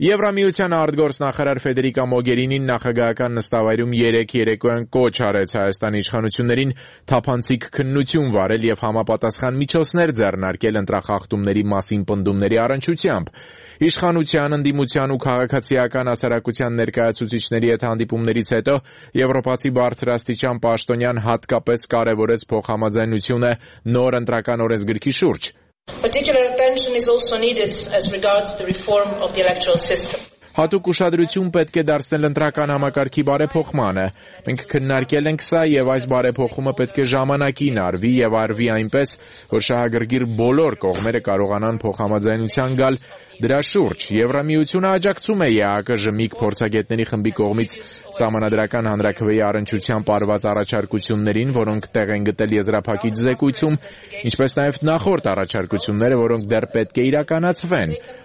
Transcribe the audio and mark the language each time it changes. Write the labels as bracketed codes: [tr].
[hy] Եվրամիության արտգործնախարար Ֆրեդերիկա Մոգերինին նախագահական նստավայրում 3-3-ով կոչ արեց Հայաստանի իշխանություններին թափանցիկ քննություն վարել եւ համապատասխան միջոցներ ձեռնարկել ընտրախախտումների մասին պնդումների առնչությամբ։ Իշխանության ընդդիմության ու քաղաքացիական հասարակության ներկայացուցիչների հետ հանդիպումներից հետո եվրոպացի բարձրաստիճան պաշտոնյան հատկապես կարևորեց փոխհամաձայնությունը նոր ընտրական օրենսգրքի շուրջ։ [en] Particular attention is also needed as regards the reform of the electoral system. [hy] Հատուկ ուշադրություն պետք է դարձնել ընտրական համակարգի բարեփոխմանը։ Մենք քննարկել ենք սա եւ այս բարեփոխումը պետք է ժամանակին արվի եւ արվի այնպես, որ շահագրգիր բոլոր կողմերը կարողանան փոխհամաձայնության գալ։ Դրա շուրջ Եվրամիությունը աջակցում է ԵԱԿ-ի ժմիկ փորձագետների խմբի կողմից սահմանադրական հանրակրվեի առընչության պարված առաջարկություններին, որոնք տեղ են գտել եզրափակիչ զեկույցում, ինչպես նաեւ նախորդ առաջարկությունները, որոնք դեռ պետք է իրականացվեն։